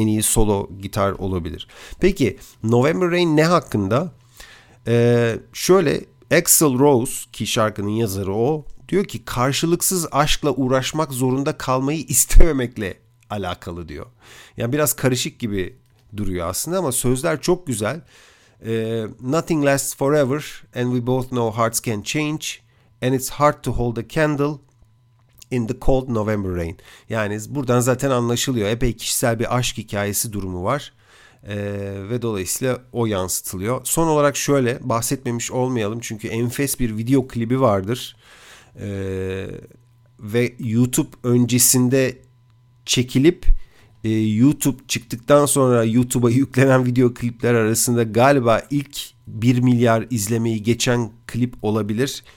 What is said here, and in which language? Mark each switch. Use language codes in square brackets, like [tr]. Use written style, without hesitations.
[tr] En iyi solo gitar olabilir. Peki November Rain ne hakkında? Şöyle Axl Rose ki şarkının yazarı o. Diyor ki karşılıksız aşkla uğraşmak zorunda kalmayı istememekle alakalı diyor. Yani biraz karışık gibi duruyor aslında ama sözler çok güzel. [en] Nothing lasts forever and we both know hearts can change and it's hard to hold a candle in the cold November rain. [tr] Yani buradan zaten anlaşılıyor. Epey kişisel bir aşk hikayesi durumu var. Ve dolayısıyla o yansıtılıyor. Son olarak şöyle bahsetmemiş olmayalım çünkü enfes bir video klibi vardır. Ve YouTube öncesinde çekilip YouTube çıktıktan sonra YouTube'a yüklenen video klipler arasında galiba ilk 1 milyar izlemeyi geçen klip olabilir.